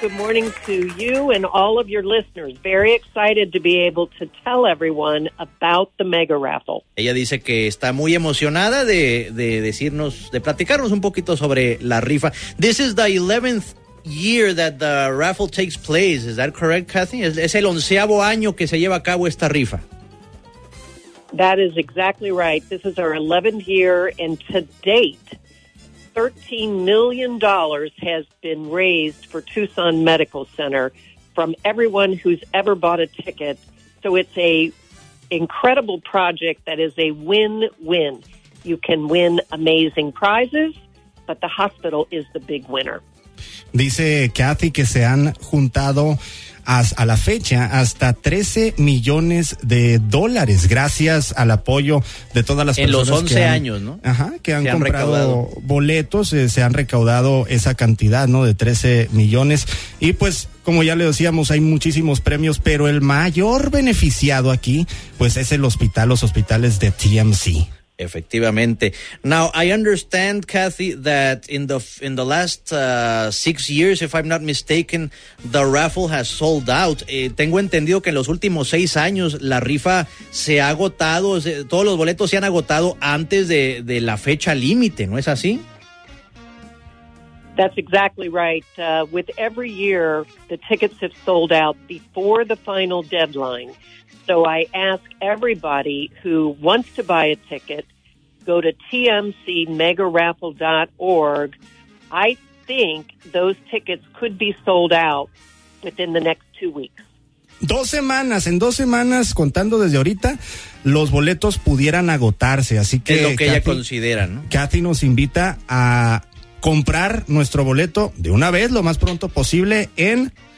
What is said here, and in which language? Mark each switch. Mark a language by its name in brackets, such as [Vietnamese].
[English] Good morning to you and all of your listeners. Very excited to be able to tell everyone about the mega raffle. [Spanish] Ella dice que está muy emocionada de decirnos, de platicarnos un poquito sobre la rifa. [English] This is the 11th year that the raffle takes place. Is that correct, Kathy? [Spanish] Es el onceavo año que se lleva a cabo esta rifa. [English] That is exactly right. This is our 11th year, and to date, $13 million has been raised for Tucson Medical Center from everyone who's ever bought a ticket. So it's a incredible project that is a win-win. You can win amazing prizes, but the hospital is the big winner. [Spanish] Dice Kathy que se han juntado a la fecha hasta 13 millones de dólares gracias al apoyo de todas las personas. En los 11 años, ¿no? Ajá, que han comprado boletos, se han recaudado esa cantidad, ¿no? De 13 millones. Y pues, como ya le decíamos, hay muchísimos premios, pero el mayor beneficiado aquí, pues, es el hospital, los hospitales de TMC. Efectivamente. [English] Now, I understand, Kathy, that in the last 6 years, if I'm not mistaken, the raffle has sold out. [Spanish] Tengo entendido que en los últimos 6 años la rifa se ha agotado, todos los boletos se han agotado antes de la fecha límite, ¿no es así? [English] That's exactly right. With every year, the tickets have sold out before the final deadline. So I ask everybody who wants to buy a ticket, go to tmcmegaraffle.org. I think those tickets could be sold out within the next 2 weeks. [Spanish] 2 semanas, en 2 semanas, contando desde ahorita, los boletos pudieran agotarse. Así que es lo que Kathy, ella considera, ¿no? Kathy nos invita a comprar nuestro boleto de una vez, lo más pronto posible en...